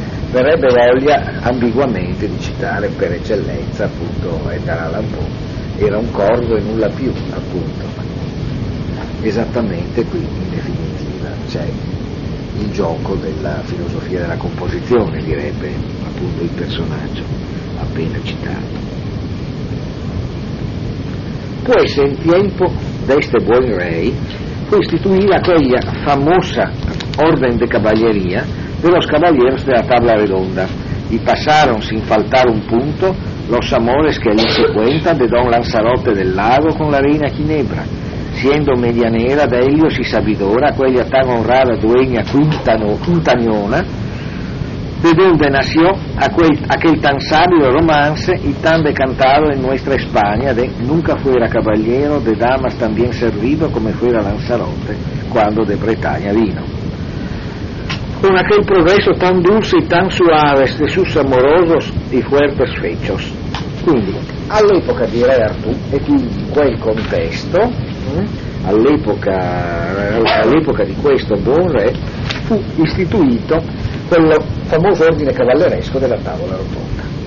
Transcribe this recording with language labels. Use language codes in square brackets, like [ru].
[it] Verrebbe voglia ambiguamente di citare per eccellenza appunto Edgar Allan Poe, era un corvo e nulla più, appunto. Esattamente qui in definitiva c'è il gioco della filosofia della composizione, direbbe appunto il personaggio appena citato. [es] può essere il tempo d'este buon rei fu istituita quella famosa orden de caballeria de los caballeros de la tabla redonda y pasaron sin faltar un punto los amores que allí se cuentan de don Lanzarote del Lago con la reina Ginebra, siendo medianera de ellos y sabidora aquella tan honrada dueña Quintañona, de donde nació aquel tan sabio romance y tan decantado en nuestra España de nunca fuera caballero de damas tan bien servido como fuera Lanzarote cuando de Bretaña vino. Con aquel progreso tan dulce y tan suave de sus amorosos y fuertes fechos. [it] Quindi, all'epoca di Re Artù e di quel contesto, all'epoca di questo buon re, fu istituito quel famoso ordine cavalleresco della Tavola Rotonda.